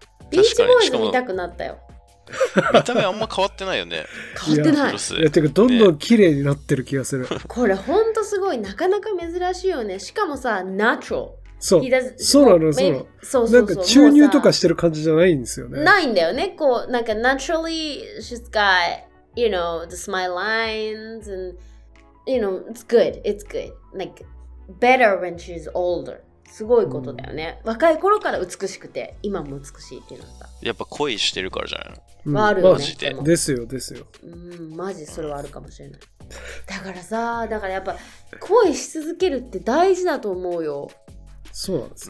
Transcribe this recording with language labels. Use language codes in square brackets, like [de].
[ja] ビーチボーイズ見たくなったよ。見た目あんま変わってないよね。変わってない。いやてかどんどん綺麗になってる気がする、ね、これほんとすごい。なかなか珍しいよね。しかもさ、ナチュラル。そう、そうなの、そうなの。そうそう、なんか注入とかしてる感じじゃないんですよね。ないんだよね。こうなんか [en] naturally she's got you know the smile lines and you know it's good, it's good, like better when she's older。 [ja] すごいことだよね、うん、若い頃から美しくて今も美しいっていうのさ、やっぱ恋してるからじゃない、うん、まあ、あるよね。マジでですよ、ですよ、うん、マジそれはあるかもしれない。だからさ、だからやっぱ恋し続けるって大事だと思うよ。そうなんです、